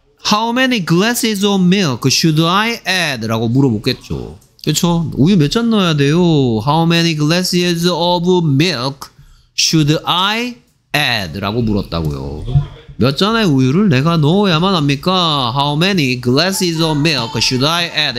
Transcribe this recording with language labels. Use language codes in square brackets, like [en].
[en] How many glasses of milk should I add? [ko] 라고 물어보겠죠. 그쵸? 우유 몇 잔 넣어야 돼요? [en] How many glasses of milk should I add? [ko] 라고 물었다고요. 몇 잔의 우유를 내가 넣어야만 합니까? [en] How many glasses of milk should I add?